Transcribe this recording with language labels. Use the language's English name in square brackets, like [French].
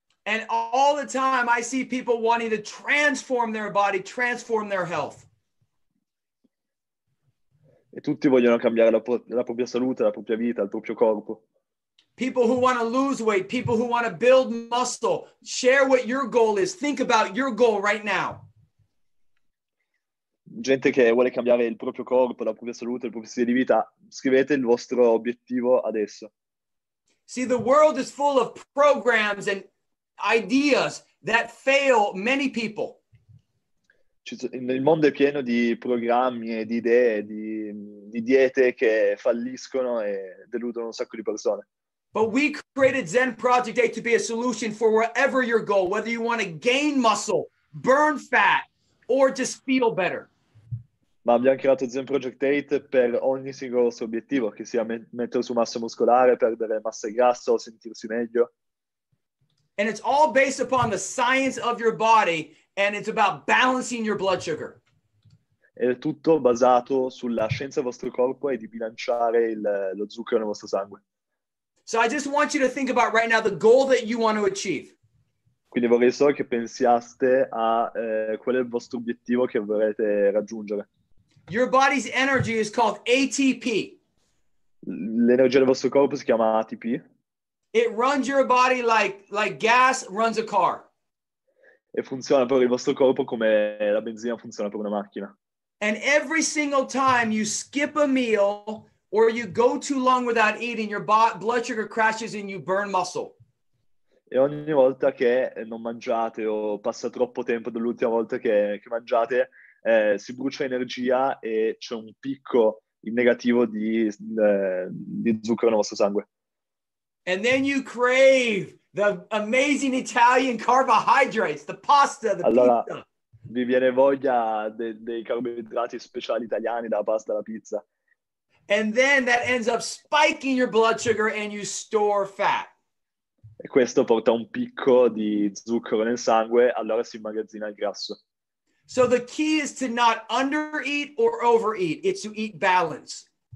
[English] And all the time I see people wanting to transform their body, transform their health. [Italian] E tutti vogliono cambiare la propria salute, la propria vita, il proprio corpo. [English] People who want to lose weight, people who want to build muscle, share what your goal is. Think about your goal right now. [Italian] Gente che vuole cambiare il proprio corpo, la propria salute, il proprio stile di vita, scrivete il vostro obiettivo adesso. [English] See, the world is full of programs and ideas that fail many people. [Italian] Il mondo è pieno di programmi e di idee, di diete che falliscono e deludono un sacco di persone. [English] But we created Zen Project A to be a solution for wherever your goal, whether you want to gain muscle, burn fat, or just feel better. [Italian] Ma abbiamo creato Zen Project 8 per ogni singolo suo obiettivo, che sia mettere su massa muscolare, perdere massa e grasso, o sentirsi meglio. [English] And it's all based upon the science of your body, and it's about balancing your blood sugar. [Italian] È tutto basato sulla scienza del vostro corpo e di bilanciare lo zucchero nel vostro sangue. [English] So I just want you to think about right now the goal that you want to achieve. [Italian] Quindi vorrei solo che pensiate a qual è il vostro obiettivo che vorrete raggiungere. [English] Your body's energy is called ATP. [Italian] L'energia del vostro corpo si chiama ATP. [English] It runs your body like gas runs a car. [Italian] E funziona per il vostro corpo come la benzina funziona per una macchina. [English] And every single time you skip a meal or you go too long without eating, your blood sugar crashes and you burn muscle. [Italian] E ogni volta che non mangiate o passa troppo tempo dall'ultima volta che mangiate, si brucia energia e c'è un picco in negativo di zucchero nel vostro sangue. [English] And then you crave the amazing Italian carbohydrates, the pasta, the [Italian] allora, [English] pizza. [Italian] Allora, vi viene voglia dei carboidrati speciali italiani, dalla pasta alla pizza. [English] And then that ends up spiking your blood sugar and you store fat. [Italian] E questo porta un picco di zucchero nel sangue, allora si immagazzina il grasso. [English] So the key is to not undereat or overeat, it's to eat balance.